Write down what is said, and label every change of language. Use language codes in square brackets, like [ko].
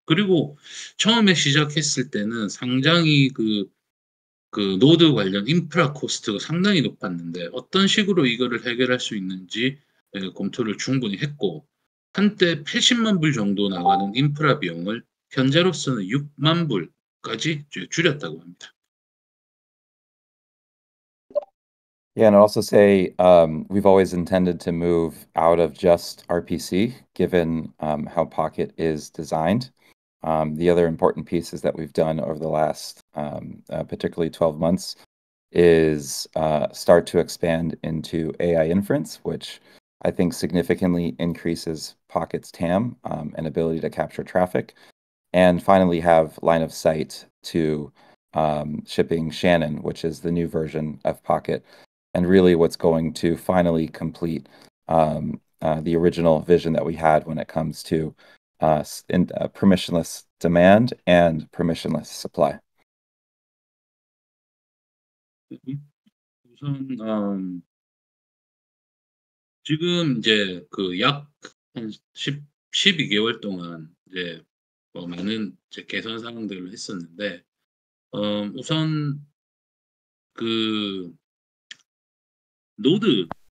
[ko] 그리고 처음에 시작했을 때는 상당히 그 노드 관련 인프라 코스트가 상당히 높았는데 어떤 식으로 이거를 해결할 수 있는지 검토를 충분히 했고 한때 80만 불 정도 나가는 인프라 비용을 현재로서는 6만 불까지 줄였다고 합니다. [en] Yeah, and I'd also say we've always intended to move out of just RPC given how Pocket is designed. The other important pieces that we've done over the last, particularly 12 months, is start to expand into AI inference, which I think significantly increases Pocket's TAM and ability to capture traffic, and finally have line of sight to shipping Shannon, which is the new version of Pocket, and really what's going to finally complete the original vision that we had when it comes to permissionless demand and permissionless supply. [ko] 우선 지금 이제 그 약 한 12개월 동안 이제 뭐 많은 이제 개선 사항들을 했었는데 우선 그 노드